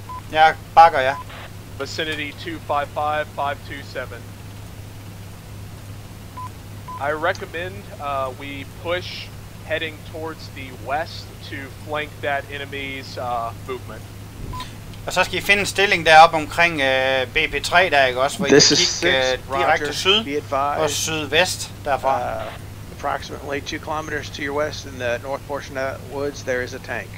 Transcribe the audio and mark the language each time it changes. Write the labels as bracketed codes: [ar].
[en] Yeah, bagger, yeah. Vicinity 255-527. I recommend we push heading towards the west to flank that enemy's movement. [da] Og så skal I finde en stilling deroppe omkring BP3 der, ikke også, hvor I kan kigge direkte syd og sydvest derfra. [en] Approximately 2 kilometers to your west in the north portion of that woods, there is a tank.